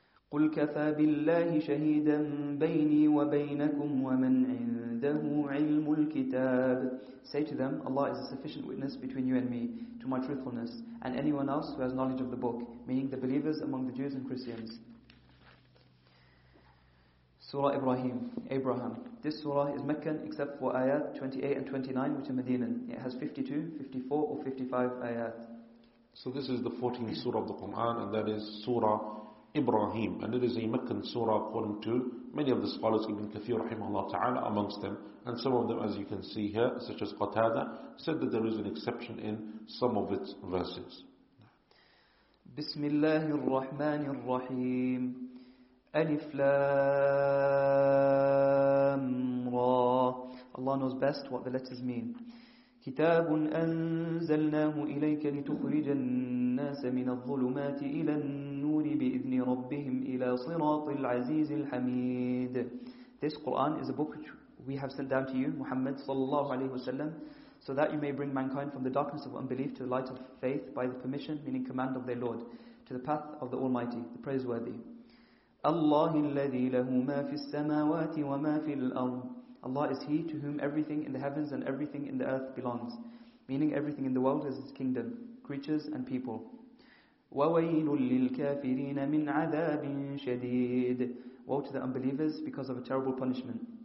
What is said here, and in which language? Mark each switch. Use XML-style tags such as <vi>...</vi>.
<ar>قل كفى بالله شهيدا بيني وبينكم ومن عنده علم الكتاب</ar> <en>Say to them, Allah is a sufficient witness between you and me to my truthfulness and anyone else who has knowledge of the book, meaning the believers among the Jews and Christians. Surah Ibrahim, Abraham. This surah is Meccan except for ayat 28 and 29 which are Medinan. It has 52, 54 or 55 ayat. So this is the 14th surah of the Quran and that is Surah Ibrahim. And it is a Meccan surah according to many of the scholars, Ibn Kathir rahimahullah ta'ala amongst them. And some of them, as you can see here, such as Qatada, said that there is an exception in some of its verses.</en> <ar>Bismillahir Rahmanir Rahim. Alif Lam Ra.</ar> <en>Allah knows best what the letters mean.</en> <ar>كتاب أنزلناه إليك لتخرج الناس من الظلمات إلى النور بإذن ربهم إلى صراط العزيز الحميد.</ar> <en>This Quran is a book which we have sent down to you, Muhammad sallallahu alaihi wasallam, so that you may bring mankind from the darkness of unbelief to the light of faith by the permission, meaning command of their Lord, to the path of the Almighty, the Praiseworthy.</en> <ar>الله الذي له ما في السماوات وما في الأرض</ar> <en>Allah is He to whom everything in the heavens and everything in the earth belongs, meaning everything in the world is His kingdom, creatures and people.</en> <ar>وَوَيْلٌ لِلْكَافِرِينَ مِنْ عَذَابٍ شَدِيدٍ</ar> <en>Woe to the unbelievers because of a terrible punishment.</en>